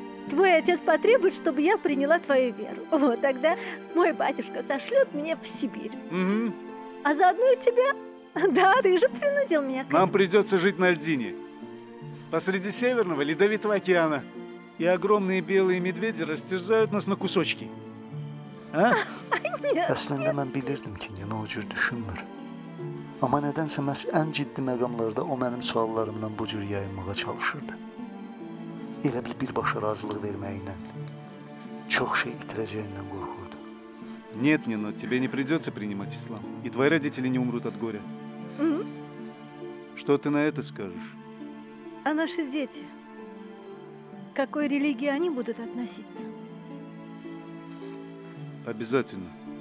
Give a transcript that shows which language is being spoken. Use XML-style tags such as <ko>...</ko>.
<ru>Твой отец потребует, чтобы я приняла твою веру. Вот тогда мой батюшка сошлет меня в Сибирь. Угу. А заодно и тебя. Да, ты же принудил меня. Нам придется жить на льдине. Посреди Северного Ледовитого океана. И огромные белые медведи растерзают нас на кусочки. Нет,</ru> <az>aslında ben bilirdim ki ne olur düşünmür. Ama nedense məhz ən ciddi məqamlarda o mənim suallarımdan bu cür yayınmağa çalışırdı. Elə bil birbaşa razılıq verməyinə çox şey itirəcəyindən qorxurdu.</az> <ru>Нет, Нино, тебе не придется принимать ислам. И твои родители не умрут от горя. Что ты на это скажешь? А наши дети? К какой религии они будут относиться? Обязательно.</ru>